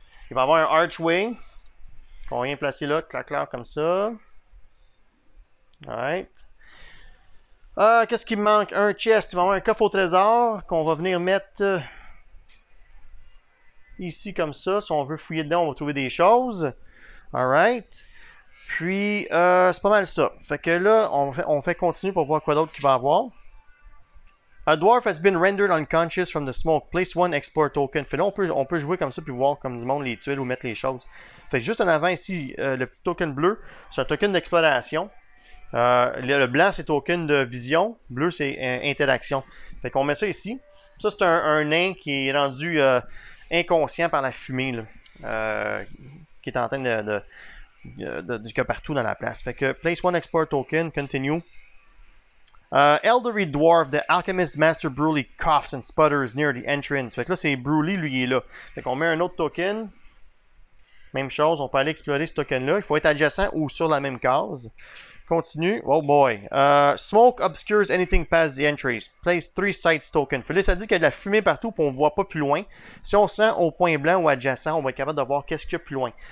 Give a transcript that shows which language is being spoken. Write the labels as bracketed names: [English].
[French] Il va y avoir un archway. On vient placer là, clac-clac, comme ça. Alright. Qu'est-ce qui me manque? Un chest. Il va y avoir un coffre au trésor qu'on va venir mettre ici comme ça. Si on veut fouiller dedans, on va trouver des choses. Alright. Puis, c'est pas mal ça. Fait que là, on fait continuer pour voir quoi d'autre qu'il va y avoir. [English] A dwarf has been rendered unconscious from the smoke. Place one export token. [French] Fait là, on peut jouer comme ça puis voir comme du monde les tuiles ou mettre les choses. Fait que juste en avant ici, le petit token bleu, c'est un token d'exploration. Le blanc, c'est token de vision. Bleu, c'est interaction. Fait qu'on met ça ici. Ça, c'est un nain qui est rendu inconscient par la fumée, là. Qui est en train de que partout dans la place. Fait que [English] place one export token, continue. Elderly dwarf, the alchemist master Brûlis coughs and sputters near the entrance. [French] Fait que là, c'est Brûlis, lui, il est là. Fait qu'on met un autre token. Même chose, on peut aller explorer ce token-là. Il faut être adjacent ou sur la même case. [English] Continue. Oh boy. Smoke obscures anything past the entries. Place three sites token. [French] Fait là, ça dit qu'il y a de la fumée partout et on ne voit pas plus loin. Si on sent au point blanc ou adjacent, on va être capable de voir qu'est-ce qu'il y a plus loin.